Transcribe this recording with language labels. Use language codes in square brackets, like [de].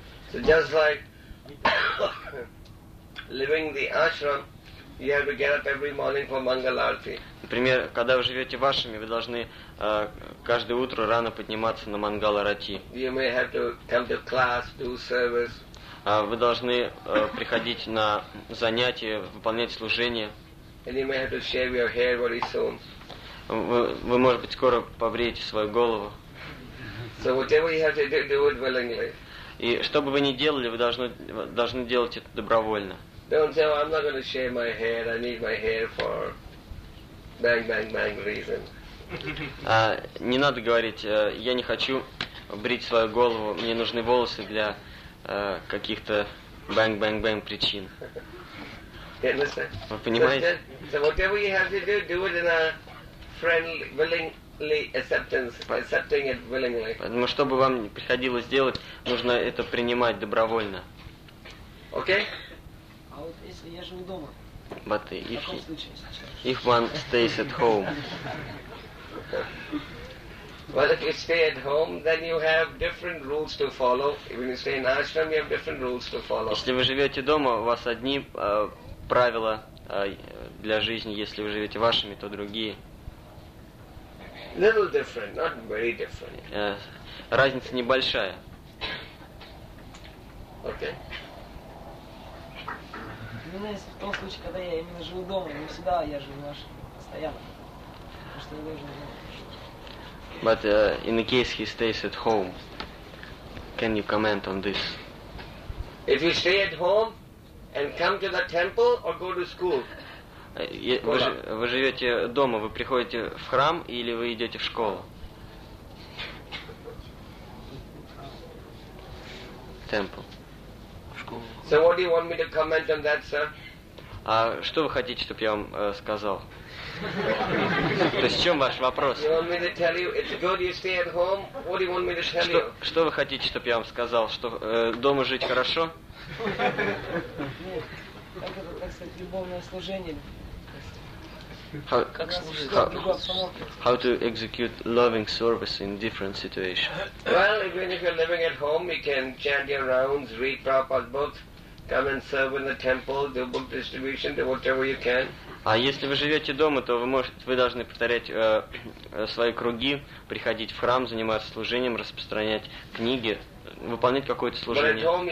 [en] So just like living the ashram, you have to get up every morning for Mangal Arati. [ru] Например, когда вы живете в ашраме, вы должны каждое утро рано подниматься на Мангал Арати. [en] You may have to come to class, do service. [ru] Вы должны приходить на занятия, выполнять служение. [en] And you may have to shave your hair very soon. [ru] Вы, может быть, скоро повреете свою голову. [en] So whatever you have to do it willingly. [ru] И что бы вы ни делали, вы должны делать это добровольно. [en] Don't say, well, I'm not going to shave my hair, I need my hair for bang, bang, bang reason. [ru] Не надо говорить, я не хочу брить свою голову, мне нужны волосы для каких-то [en] bang, bang, bang [ru] причин. [en] understand? [ru] Вы понимаете? [en] So whatever you have to do, do it in a friendly, willingly acceptance, accepting it willingly. [ru] Поэтому, чтобы вам не приходилось делать, нужно это принимать добровольно. [en] Okay? [ru] А вот если я живу дома. [en] But if one stays at home. Well, if you stay at home, then you have different rules to follow. When you stay in ashram, you have different rules to follow. [ru] Если вы живете дома, у вас одни правила для жизни. Если вы живете вашими, то другие. [en] Little different, not very different. [ru] Разница небольшая. [en] Okay. [ru] Ну, знаете, в том случае, когда я именно живу дома, не всегда я живу в ашраме, постоянно. Потому что я должен знать. [en] But in the case he stays at home, can you comment on this? If you stay at home and come to the temple or go to school? [ru] Вы живете дома, вы приходите в храм или вы идете в школу? [en] Temple. So what do you want me to comment on that, sir? [ru] А что вы хотите, чтобы я вам сказал? То есть в чем ваш вопрос? Что вы хотите, чтобы я вам сказал? Что дома жить хорошо? Нет, это, так сказать, любовное служение. Как служить? [en] How to execute loving service in different situations? Well, even if you're living at home, you can chant your rounds, read Prabhupada's books, come and serve in the temple, do book distribution, do whatever you can. [ru] А если вы живете дома, то вы должны повторять свои круги, приходить в храм, заниматься служением, распространять книги, выполнять какое-то служение.